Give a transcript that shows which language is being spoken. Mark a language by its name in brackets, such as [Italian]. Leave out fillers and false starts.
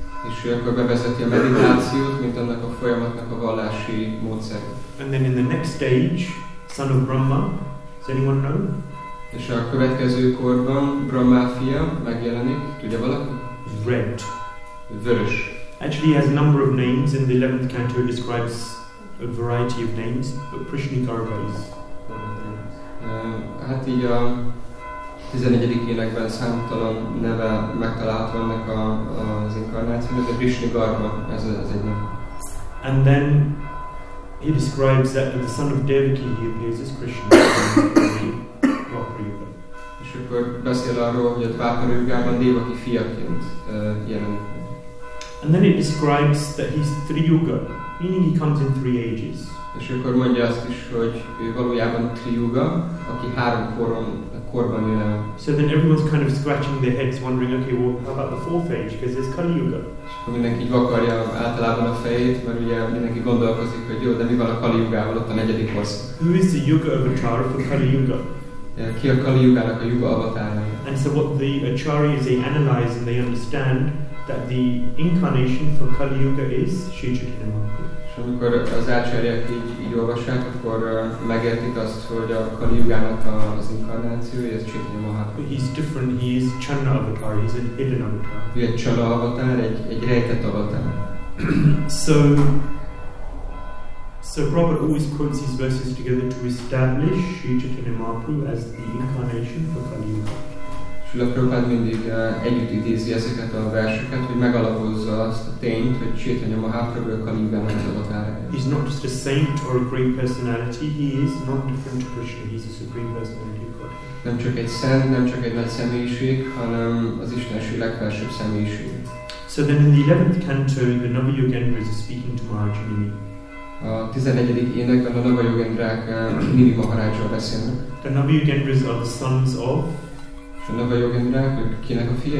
[Hungarian] És akkor bevezeti a meditációt, mint annak a folyamatnak a vallási módszer. [English] And then in the next stage, son of Brahma, does anyone know? [Hungarian] És a következő korban Brahma fia megjelenik, tudja valaki? [English] Red. [Hungarian] Vörös. [English] Actually, he has a number of names, and the 11th canto describes a variety of names, but Prishnikarva is one of the names. [Hungarian] Hát így a 14. énekben számtalan neve megtalálható ennek az inkarnációnak, de Prishnikarva, ez az egy nem. [English] And then he describes that the son of Devaki he appears as Krishna. [Hungarian] És akkor beszél arról, hogy a Dvapara Yugában Devaki fiaként jelenik. [English] And then it describes that he's Triyuga, meaning he comes in three ages. [Hungarian] És akkor mondja azt is, hogy ő valójában Triyuga, aki három korban jön el. [English] So then everyone's kind of scratching their heads, wondering, okay, well, how about the fourth age? Because there's Kali Yuga. [Hungarian] És akkor mindenki vakarja általában a fejét, mert ugye mindenki gondolkozik, hogy jó, de mi van a Kali Yugával, ott a negyedik korszak. [English] Who is the Yuga avatar for Kali Yuga? [Hungarian] Ki a Kali Yugának a Yuga avatárai. [English] And so what the acharyas, they analyze and they understand that the incarnation for Kali Yuga is Sri Chaitanya. [Hungarian] És amikor az acharyák így olvassák, akkor megértik azt, hogy a Kali Yugának az inkarnációja az Chaitanya Mahaprabhu. [English] He's different, he is Channa avatar, he's a hidden avatar. [Hungarian] Ő egy Channa avatar, egy rejtett avatar. [English] So Prabhupada always quotes these verses together to establish Sri Chaitanya Mahaprabhu as the incarnation for Kali Yuga. [Hungarian] Srila Prabhupada mindig együtt idézi ezeket a verseket, hogy megalapozza azt a tényt, hogy Chaitanya Mahaprabhu a Kali Yugának az avatára. [English] He's not just a saint or a great personality, he is not different to Krishna, he's a supreme personality of God. [Hungarian] Nem csak egy szent, nem csak egy nagy személyiség, hanem az Istenség legfelsőbb személyiség. [English] So then in the 11th canto, the Navayogendra is speaking to Mahajanini. [Hungarian] A 11. énekben a Navayogendrák Nimi Maharajjal beszélnek. [English] The Navayogendras are the sons of? [Hungarian] És a Navayogendrák, ők kinek a fiai?